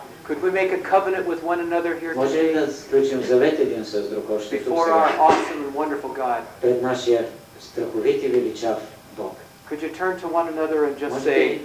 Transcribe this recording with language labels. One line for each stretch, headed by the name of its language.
English: Could we make a covenant with one another here today?
Bulgarian: Може ли да сключим завет един с друг още тук?
English: Before our awesome and wonderful God.
Bulgarian: Пред нашия страховит и величав Бог.
English: Could you turn to one another and just say,